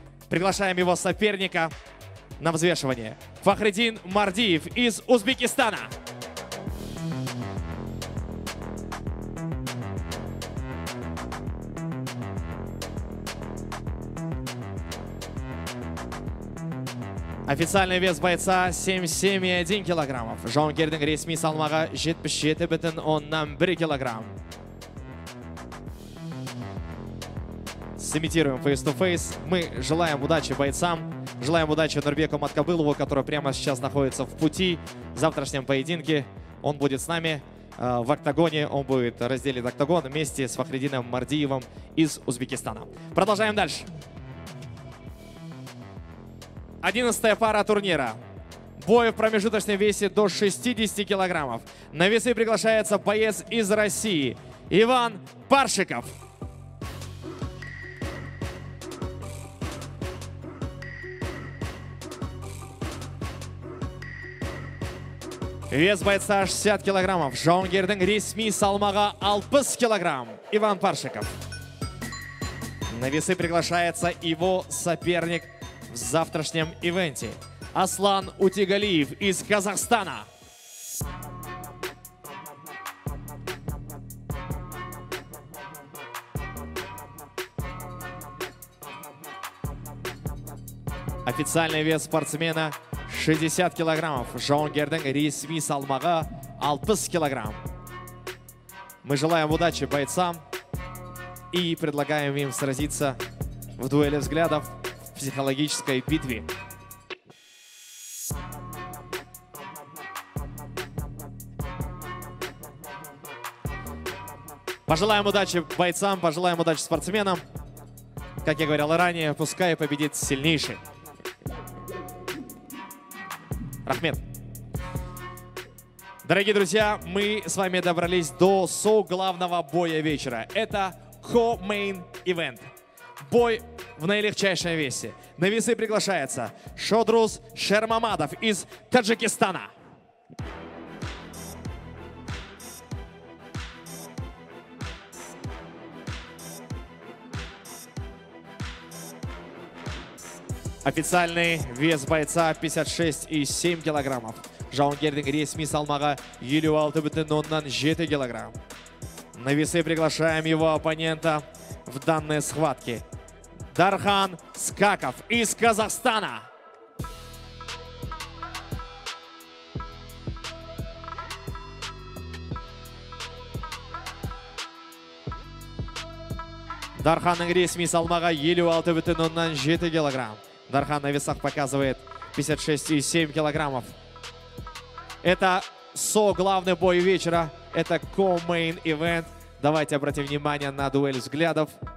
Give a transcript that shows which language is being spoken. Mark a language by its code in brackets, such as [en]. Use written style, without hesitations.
[ru] Приглашаем его соперника на взвешивание. Фахриддин Мардиев из Узбекистана. Официальный вес бойца 77,1 килограммов. [kk] Жауынгердің ресми салмағы 77,1 килограмм. [ru] Сымитируем фейс-ту-фейс. Мы желаем удачи бойцам. Желаем удачи Нурбеку Маткабылову, который прямо сейчас находится в пути в завтрашнем поединке. Он будет с нами в октагоне. Он будет разделен октагон вместе с Фахриддином Мардиевым из Узбекистана. Продолжаем дальше. 11-я пара турнира. Бой в промежуточном весе до 60 килограммов. На весы приглашается боец из России Иван Паршиков. Вес бойца 60 килограммов. [kk] Жонгердің ресми салмағы 60 килограмм. [ru] Иван Паршиков. На весы приглашается его соперник в завтрашнем ивенте. Аслан Утигалиев из Казахстана. Официальный вес спортсмена 60 килограммов. [kk] Жонгердің ресми салмағы 60 килограмм. [ru] Мы желаем удачи бойцам и предлагаем им сразиться в дуэли взглядов в психологической битве. Пожелаем удачи бойцам, пожелаем удачи спортсменам. Как я говорил ранее, пускай победит сильнейший. [kk] Рахмет. [ru] Дорогие друзья, мы с вами добрались до со-главного боя вечера. Это co-main event. Бой в наилегчайшем весе. На весы приглашается Шодрус Шермамадов из Таджикистана. Официальный вес бойца 56,7 килограммов. [kk] Жаунгердің ресми салмағы 56,7 килограмм. [ru] На весы приглашаем его оппонента в данной схватке. Дархан Скаков из Казахстана. [kk] Дарханның ресми салмағы 56,7 килограмм. [ru] Дархан на весах показывает 56,7 килограммов. Это со-главный бой вечера. Это co-main event. Давайте обратим внимание на дуэль взглядов.